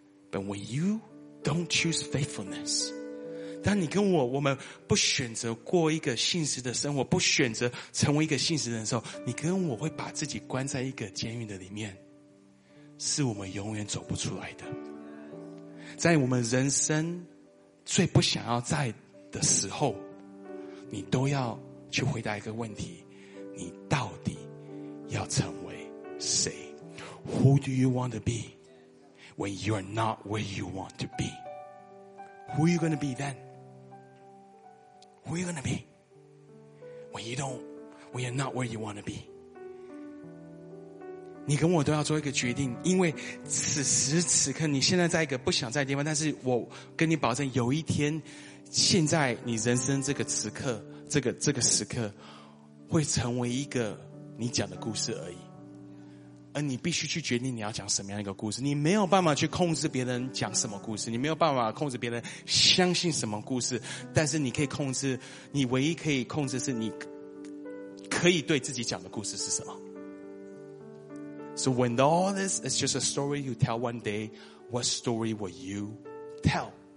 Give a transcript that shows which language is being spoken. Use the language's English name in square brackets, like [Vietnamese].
[English] But when you don't choose faithfulness, [Chinese] 当你跟我们不选择过一个信实的生活，不选择成为一个信实的人的时候，你跟我会把自己关在一个监狱的里面，是我们永远走不出来的。在我们人生最不想要在的时候，你都要去回答一个问题，你到底要成为谁？ [English] Who do you want to be when you are not where you want to be? Who are you going to be then? Who are you going to be when you don't, when you're not where you want to be? [Chinese] 你跟我都要做一个决定，因为此时此刻你现在在一个不想在的地方，但是我跟你保证，有一天现在你人生这个此刻这个时刻会成为一个你讲的故事而已。而你必须去决定你要讲什么样一个故事。你没有办法去控制别人讲什么故事，你没有办法控制别人相信什么故事，但是你可以控制，你唯一可以控制是你可以对自己讲的故事是什么。 [English] So when all this is just a story you tell one day, what story will you tell?